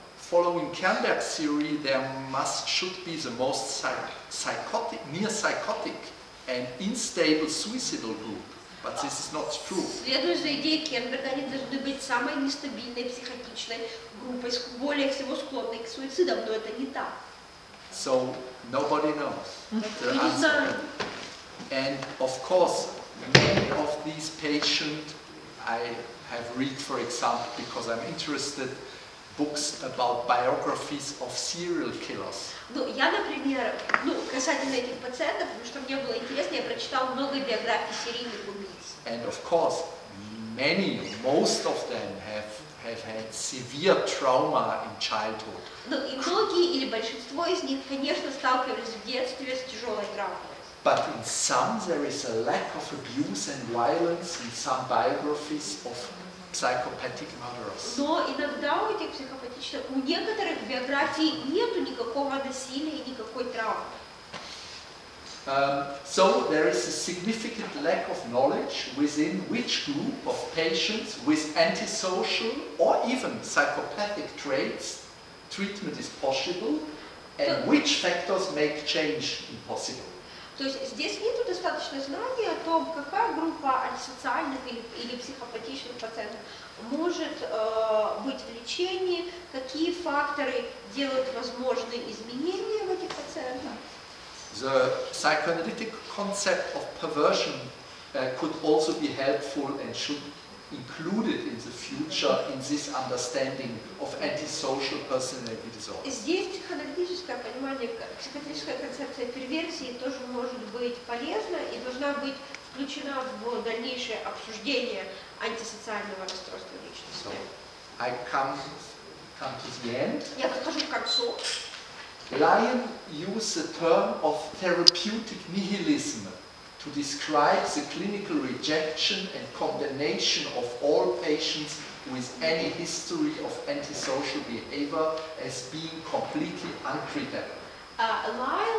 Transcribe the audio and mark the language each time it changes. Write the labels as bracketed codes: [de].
[en] Following Kernberg's theory, there should be the most psychotic, near psychotic, and unstable suicidal group, but this is not true. [ru] Следуя за идеей Кернберга, они должны быть самой нестабильной психотичной группой, более всего склонной к суицидам, но это не так. [en] So nobody knows the answer. And of course, many of these patients, I have read, for example, because I'm interested. Books about biographies of serial killers. [ru] Я, например, касательно этих пациентов, потому что мне было интересно, я прочитал много биографий серийных убийц. [en] And of course, most of them have had severe trauma in childhood. [ru] И многие или большинство из них, конечно, сталкивались в детстве с тяжелой травмой. [en] But in some there is a lack of abuse and violence in some biographies of psychopathic murderers. [ru] Но иногда у этих психопатичных, у некоторых биографий нету никакого насилия и никакой травмы. [en] So there is a significant lack of knowledge within which group of patients with antisocial or even psychopathic traits treatment is possible, and which factors make change impossible. [ru] То есть здесь нету достаточно знаний о том, какая группа антисоциальных или психопатичных пациентов может быть в лечении, какие факторы делают возможные изменения в этих пациентах. [en] The psychoanalytic concept of perversion could also be helpful and should be included in the future in this understanding of antisocial personality disorder. [ru] Здесь психоаналитическое понимание, психоаналитическая концепция перверсии тоже может быть полезна и должна быть включена в дальнейшее обсуждение антисоциального расстройства личности. [en] So, I come to the end. [ru] Я подхожу к концу. [en] Lyon used the term of therapeutic nihilism to describe the clinical rejection and condemnation of all patients with any history of antisocial behavior as being completely untreatable.